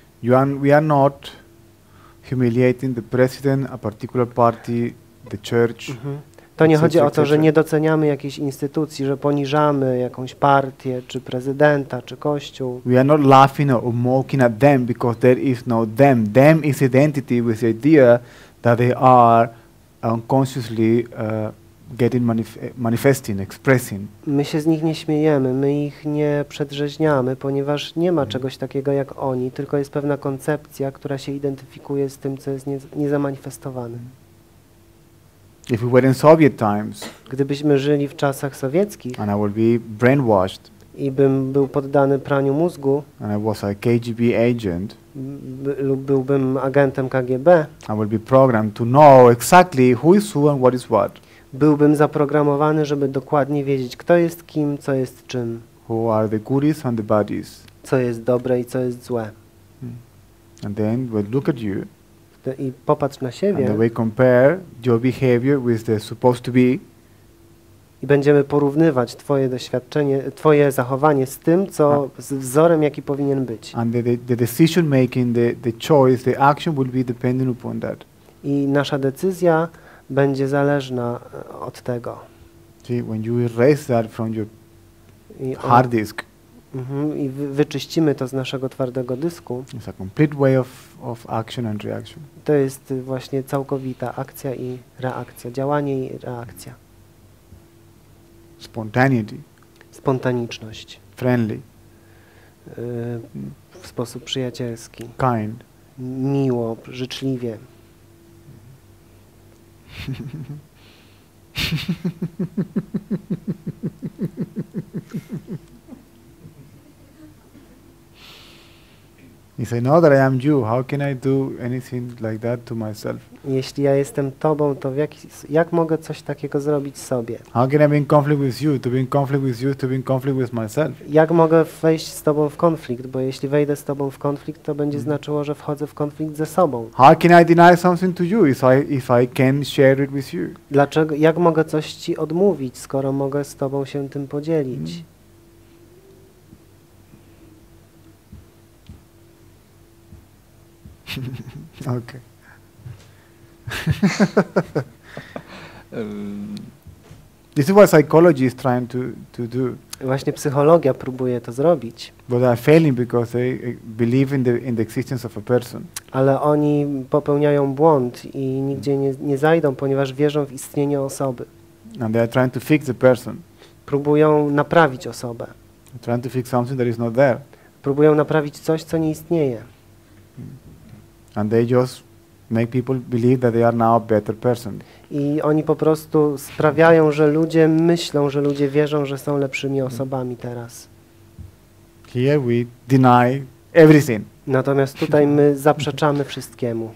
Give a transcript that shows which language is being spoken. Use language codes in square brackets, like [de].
[en] We are not humiliating the president, a particular party, the church. [pl] To nie chodzi o to, że nie doceniamy jakiejś instytucji, że poniżamy jakąś partię, czy prezydenta, czy kościół. [en] We are not laughing or mocking at them because there is no them. Them is identity with the idea that they are unconsciously getting manifesting, expressing. [pl] My się z nich nie śmiejemy, my ich nie przedrzeźniamy, ponieważ nie ma czegoś takiego jak oni, tylko jest pewna koncepcja, która się identyfikuje z tym, co jest niezamanifestowane. [en] If we were in Soviet times, [pl] gdybyśmy żyli w czasach sowieckich, [en] and I would be brainwashed, [pl] i bym był poddany praniu mózgu, [en] and I was a KGB agent, [pl] lub byłbym agentem KGB, [en] I would be programmed to know exactly who is who and what is what. [pl] Byłbym zaprogramowany, żeby dokładnie wiedzieć, kto jest kim, co jest czym. [en] Who are the goodies and the baddies? [pl] Co jest dobre i co jest złe. [en] And then we'll look at you. [pl] I popatrz na siebie. [en] And we compare your behavior with the supposed to be. [pl] I będziemy porównywać twoje doświadczenie, twoje zachowanie z tym, co z wzorem, jaki powinien być. [en] And the decision making, the choice, the action will be dependent upon that. [pl] I nasza decyzja będzie zależna od tego. [en] When you erase that from your hard disk. [pl] I wyczyścimy to z naszego twardego dysku. [en] It's a complete way of action and reaction. [pl] To jest właśnie całkowita akcja i reakcja, działanie i reakcja. [en] Spontaneity. [pl] Spontaniczność. [en] Friendly. [pl] W sposób przyjacielski. [en] Kind. [pl] Miło, życzliwie. [en] You say, no, that I am you. How can I do anything like that to myself? [pl] Jeśli ja jestem tobą, to jak mogę coś takiego zrobić sobie? [en] How can I be in conflict with you? To be in conflict with you, to be in conflict with myself. [pl] Jak mogę wejść z tobą w konflikt? Bo jeśli wejdę z tobą w konflikt, to będzie znaczyło, że wchodzę w konflikt ze sobą. [en] How can I deny something to you if I can share it with you? [pl] Dlaczego? Jak mogę coś ci odmówić, skoro mogę z tobą się tym podzielić? [en] Okay. This is what psychology is trying to do. [pl] Właśnie psychologia próbuje to zrobić. [en] But they are failing because they believe in the existence of a person. [pl] Ale oni popełniają błąd i nigdzie nie zajdą, ponieważ wierzą w istnienie osoby. [en] And they are trying to fix the person. [pl] Próbują naprawić osobę. [en] They're trying to fix something that is not there. [pl] Próbują naprawić coś, co nie istnieje. [en] And they just make people believe that they are now a better person. [pl] I oni po prostu sprawiają, że ludzie myślą, że ludzie wierzą, że są lepszymi osobami teraz. [en] Here we deny everything. [pl] Natomiast tutaj my zaprzeczamy wszystkiemu.